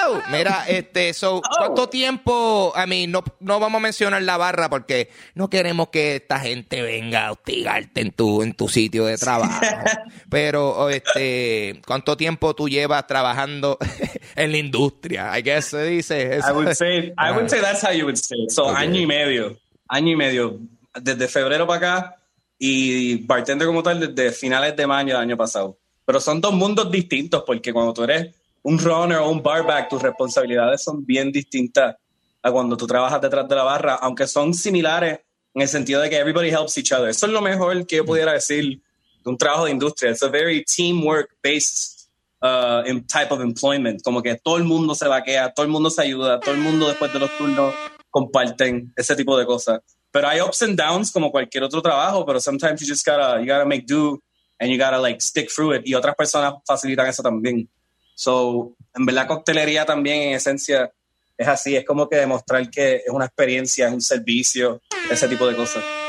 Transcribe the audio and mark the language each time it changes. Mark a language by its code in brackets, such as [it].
[es] Mira, ¿cuánto tiempo? A mí, no vamos a mencionar la barra porque no queremos que esta gente venga a hostigarte en tu sitio de trabajo. Pero, ¿cuánto tiempo tú llevas trabajando en la industria? [en] I guess [es] se dice eso. [en] I would say that's how you would say it. [es] So, año y medio, desde febrero para acá, y bartender como tal desde finales de mayo del año pasado. Pero son dos mundos distintos, porque cuando tú eres un runner o un barback, tus responsabilidades son bien distintas a cuando tú trabajas detrás de la barra, aunque son similares en el sentido de que [en] everybody helps each other. [es] Eso es lo mejor que yo pudiera decir de un trabajo de industria. [en] It's a very teamwork-based type of employment. [es] Como que todo el mundo se vaquea, todo el mundo se ayuda, todo el mundo después de los turnos comparten ese tipo de cosas. Pero hay [en] ups and downs [es] como cualquier otro trabajo, pero [en] sometimes you gotta make do and you gotta, like, stick through it. [es] Y otras personas facilitan eso también. So, en verdad, coctelería también, en esencia, es así. Es como que demostrar que es una experiencia, es un servicio, ese tipo de cosas.